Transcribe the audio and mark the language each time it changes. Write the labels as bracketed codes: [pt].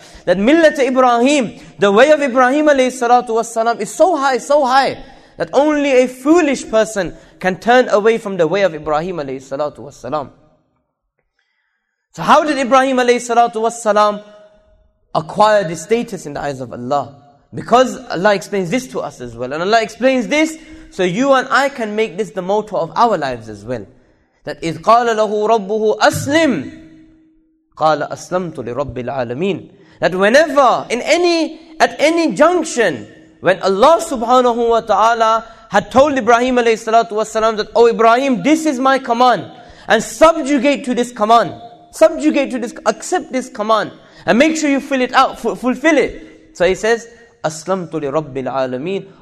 [en] That millat Ibrahim, the way of Ibrahim alayhi salatu wassalam, is so high, that only a foolish person can turn away from the way of Ibrahim alayhi salatu wassalam. So how did Ibrahim alayhi salatu wassalam acquire this status in the eyes of Allah? Because Allah explains this to us as well. And Allah explains this so you and I can make this the motto of our lives as well. That [ar] إِذْ قَالَ لَهُ رَبُّهُ أَسْلِمْ قَالَ أَسْلَمْتُ لِرَبِّ الْعَالَمِينَ. [en] That whenever, at any junction, when Allah subhanahu wa ta'ala had told Ibrahim alayhi salatu wasalam that, oh Ibrahim, this is my command. And subjugate to this command. Subjugate to this, accept this command. And make sure you fill it out, fulfill it. So he says, [ar] أَسْلَمْتُ لِرَبِّ الْعَالَمِينَ.